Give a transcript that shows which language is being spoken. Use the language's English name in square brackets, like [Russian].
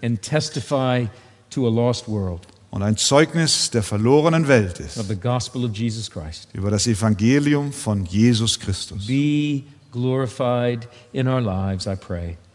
[English] And testify to a lost world. [German] Und ein Zeugnis der verlorenen Welt ist. [English] Of the gospel of Jesus Christ. [German] Über das Evangelium von Jesus Christus. [English] Be glorified in our lives, I pray.